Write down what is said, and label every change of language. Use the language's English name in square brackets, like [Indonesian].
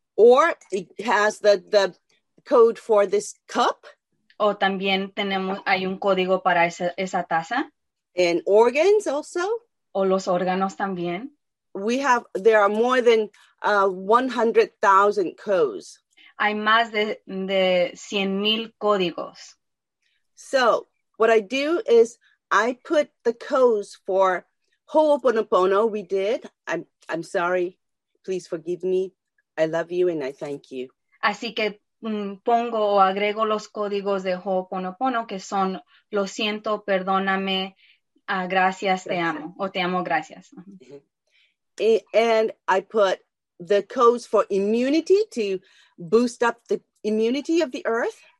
[English] Or it has the code for this cup. [Spanish] O también hay un código para esa taza. [English] And organs also. [Spanish] O los órganos también. [English] There are more than 100,000 codes. [Spanish] Hay más de 100,000 códigos. [English] So, what I do is I put the codes for Ho'oponopono, we did. I'm sorry. Please forgive me. I love you and I thank you. [Spanish] Así que pongo o agrego los códigos de Ho'oponopono, que son lo siento, perdóname, gracias, te amo, o te amo, gracias. Mm-hmm. [English] And I put the codes for immunity to boost up the immunity of the earth.